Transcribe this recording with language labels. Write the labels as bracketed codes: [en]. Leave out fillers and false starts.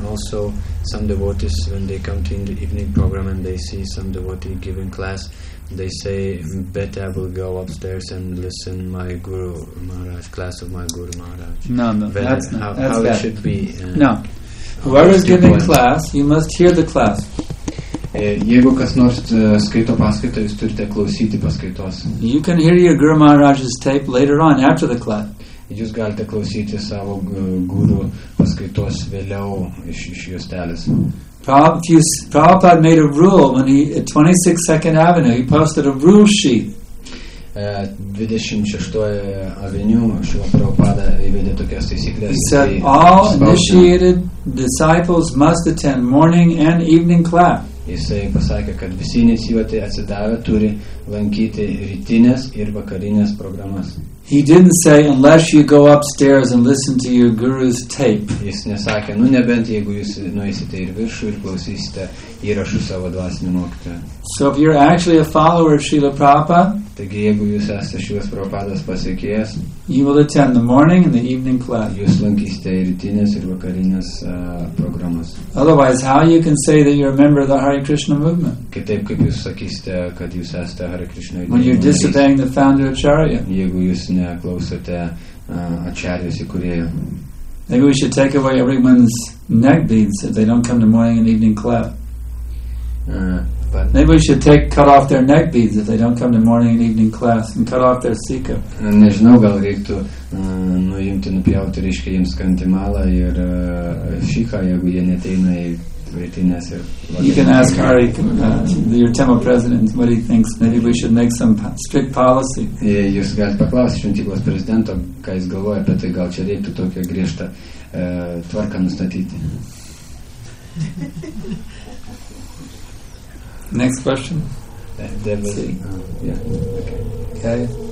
[en] And also, some devotees, when they come to the evening program and they see some devotee giving class, they say, better I will go upstairs and listen my Guru Maharaj, class of my Guru Maharaj. No, that's not how it should be. No. Whoever is giving class, you must hear the class. [lt] Jeigu kas nors skaito paskaitą, jūs turite klausyti paskaitos. [en] You can hear your Guru Maharaj's tape later on, after the class. [lt] Jūs galite klausyti savo guru paskaitos vėliau iš juostelės. [en] Prabhupada made a rule when he at 26 Second Avenue he posted a rule sheet. [lt] 26 aveniu, Šrila Prabhupada įvedė tokias taisyklės. [en] He said, all initiated disciples must attend morning and evening class. [lt] Jisai pasakė, kad visi inicijuoti atsidavę turi lankyti rytinės ir vakarinės programas. [en] He didn't say, unless you go upstairs and listen to your guru's tape. [lt] Jis nesakė, nu nebent jeigu jūs nueisite ir viršų ir klausysite įrašų savo dvasinių mokytojų. [en] So if you're actually a follower of Srila Prabhupada, [lt] taigi jeigu jūs esate Šrilos Prabhupados pasekėjas, [en] you will attend the morning and the evening class. [lt] Jūs lankysite ir rytinės ir vakarinės programas. [en] Otherwise, how you can say that you're a member of the Hare Krishna movement? [lt] Kitaip, kaip jūs sakysite, kad jūs esate Hare Krishna judėjimo. [en] When you're disobeying the founder Acharya. [lt] Jeigu jūs neklausote Acharyos įkūrėjo. [en] Maybe we should take away everyone's neck beads if they don't come to morning and evening class. But maybe we should take cut off their neck beads if they don't come to morning and evening class and cut off their sika. [lt] Nežinau, gal reiktų nuimti, nupjauti, reiškia, jiems kantimalą ir šiką, jeigu jie neteina į rytinės ir... [en] You can ask Hari, your temple president, what he thinks. Maybe we should make some strict policy. [lt] Jūs galite paklausti šventyklos prezidento, ką jis galvoja apie tai, gal čia reiktų tokią griežtą tvarką nustatyti. [en] Next question. Okay.